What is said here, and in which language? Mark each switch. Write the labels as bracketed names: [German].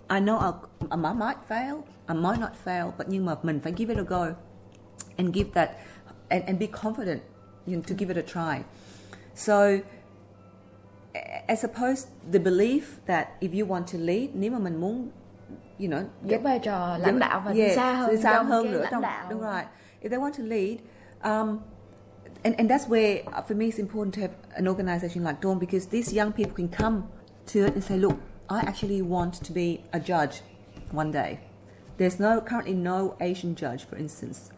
[English] I know I might fail. I might not fail. But [Vietnamese] nhưng mà mình phải [English] give it a go, and give that, and be confident, you know, to give it a try. So, as opposed the belief that if you want to lead, [Vietnamese] nếu mà mình muốn, [English] you know, [Vietnamese] giữ vai trò lãnh đạo và đi xa hơn nữa trong lãnh đạo. Đúng rồi. [English] If they want to lead, and that's where for me it's important to have an organization like Dawn, because these young people can come to it and say, look, I actually want to be a judge one day. There's currently no Asian judge, for instance.